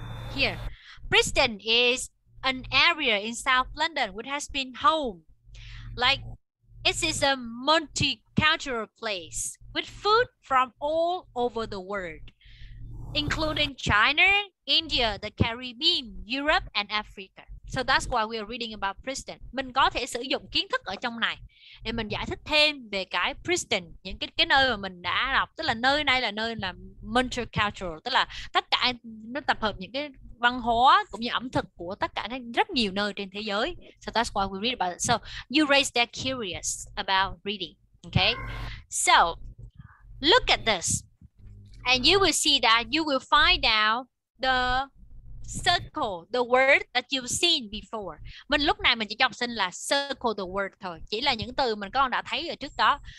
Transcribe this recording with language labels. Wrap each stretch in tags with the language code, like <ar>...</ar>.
<en>Here, Preston is an area in South London which has been home. Like, it is a multicultural place with food from all over the world, including China, India, the Caribbean, Europe and Africa. So that's why we are reading about Preston.</en> <vi>Mình có thể sử dụng kiến thức ở trong này để mình giải thích thêm về cái Preston, những cái nơi mà mình đã đọc, tức là nơi này là nơi là multicultural, tức là tất cả nó tập hợp những cái văn hóa cũng như ẩm thực của tất cả rất nhiều nơi trên thế giới.</vi> <en>So that's why we read about it. So you raise that curious about reading, okay? So look at this. And you will see that you will find out the circle the word that you've seen before.</en> <vi>Mình lúc này mình chỉ cho học sinh là</vi> <en>circle the word</en> <vi>thôi. Chỉ là những từ mình con đã thấy ở trước đó.</vi>